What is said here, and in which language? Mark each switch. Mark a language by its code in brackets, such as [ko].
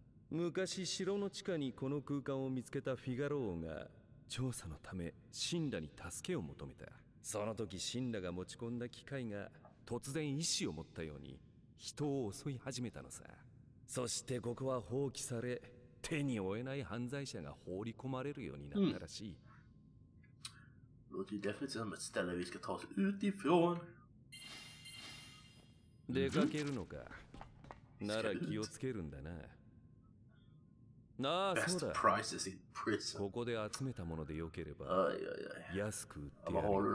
[ja] 昔城の地下にこの空間を見つけたフィガロ王が調査のためシンラに助けを求めた。その時シンラが持ち込んだ機械が突然意志を持ったように人を襲い始めたのさ。そしてここは放棄され、手に負えない犯罪者が放り込まれるようになったらしい。 [sv] Låter ju definitivt som ett ställe vi ska ta oss utifrån. [ja] 出かけるのか。なら気をつけるんだな。なあ、そうだ。ここで集めたものでよければ、安く売ってやる。